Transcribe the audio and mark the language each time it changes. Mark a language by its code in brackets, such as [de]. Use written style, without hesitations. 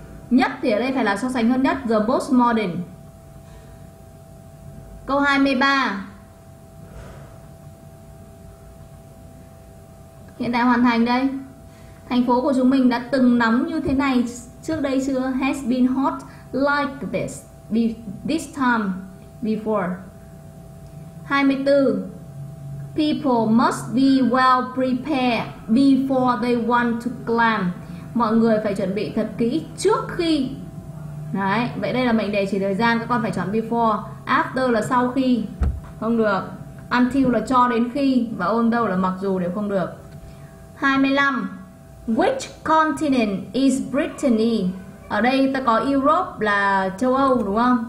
[vi] Nhất thì ở đây phải là so sánh hơn nhất, [en] the most modern. [vi] Câu 23. Hiện tại hoàn thành đây. Thành phố của chúng mình đã từng nóng như thế này trước đây chưa? [en] Has been hot like this this time before. 24. People must be well prepared before they want to climb. [vi] Mọi người phải chuẩn bị thật kỹ trước khi. Đấy, vậy đây là mệnh đề chỉ thời gian, các con phải chọn before. After là sau khi. Không được. Until là cho đến khi. Và although là mặc dù, đều không được. 25. [en] Which continent is Brittany? [vi] Ở đây ta có Europe là châu Âu đúng không?